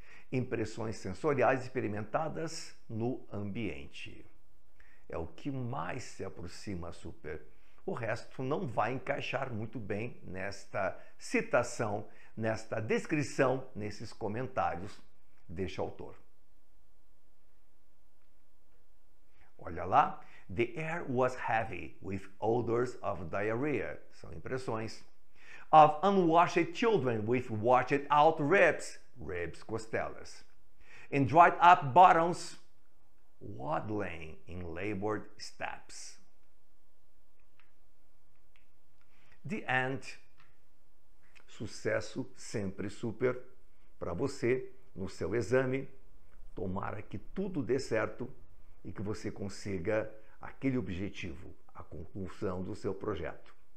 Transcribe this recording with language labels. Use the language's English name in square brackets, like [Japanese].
[Portuguese] Impressões sensoriais experimentadas no ambiente. É o que mais se aproxima, super. O resto não vai encaixar muito bem nesta citação, nesta descrição, nesses comentários deste autor. Olha lá, [English] the air was heavy with odors of diarrhea, [Portuguese] são impressões, [English] of unwashed children with washed out ribs, [Portuguese] costelas, [English] and dried up bottoms, waddling in labored steps. The End. [Portuguese] Sucesso sempre super para você no seu exame. Tomara que tudo dê certo e que você consiga aquele objetivo, a conclusão do seu projeto.